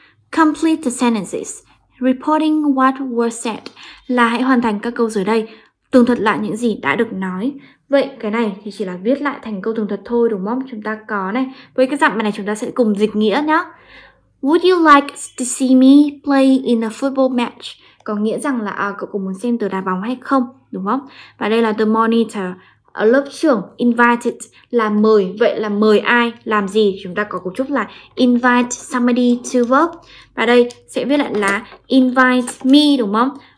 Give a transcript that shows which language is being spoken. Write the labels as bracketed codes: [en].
[en] Complete the sentences reporting what was said, [vi] là hãy hoàn thành các câu dưới đây, tường thuật lại những gì đã được nói. Vậy cái này thì chỉ là viết lại thành câu tường thuật thôi, đúng không? Chúng ta có này, với cái giọng bài này chúng ta sẽ cùng dịch nghĩa nhá. [en] Would you like to see me play in a football match? [vi] Có nghĩa rằng là cậu cũng muốn xem tớ đá bóng hay không, đúng không? Và đây là [en] the monitor, [vi] ở lớp trưởng, invited là mời. Vậy là mời ai làm gì? Chúng ta có cấu trúc là [en] invite somebody to work. [vi] Và đây sẽ viết lại là [en] invite me, [vi] đúng không?